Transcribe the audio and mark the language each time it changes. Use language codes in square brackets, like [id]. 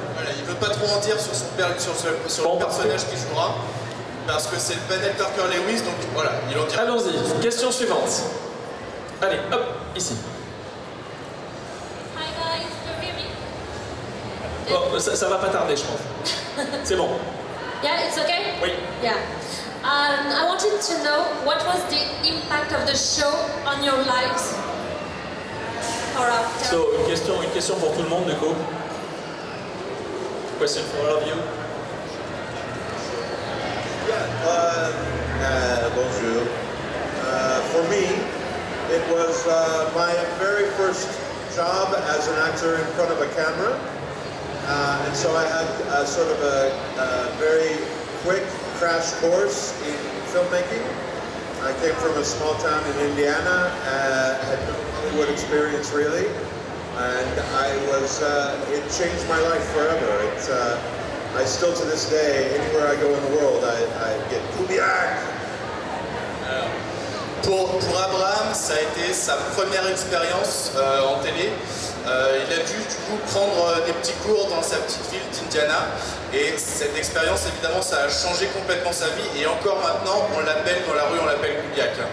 [fr] Voilà, il veut pas trop en dire sur le personnage qu'il jouera, parce que c'est le panel Parker Lewis, donc voilà, il en dira. Allons-y. Question suivante. Allez, hop, ici. [en] Hi guys, can you hear me? [fr] Bon, ça va pas tarder, je pense. C'est bon. [en] Yeah, it's okay? [fr] Oui. [en] Yeah. I wanted to know what was the impact of the show on your lives or after? [fr] So, une question pour tout le monde, du coup. [en] Question for all of you. Yeah, [fr] bonjour. [en] For me, it was my very first job as an actor in front of a camera. And so I had a very quick crash course in filmmaking. I came from a small town in Indiana, had no Hollywood experience really, and I was, it changed my life forever. I still to this day, anywhere I go in the world, I get Kubiak! [fr] Pour Abraham, ça a été sa première expérience en télé. Il a dû du coup prendre des petits cours dans sa petite ville d'Indiana et cette expérience évidemment ça a changé complètement sa vie et encore maintenant on l'appelle dans la rue, on l'appelle Kubiak.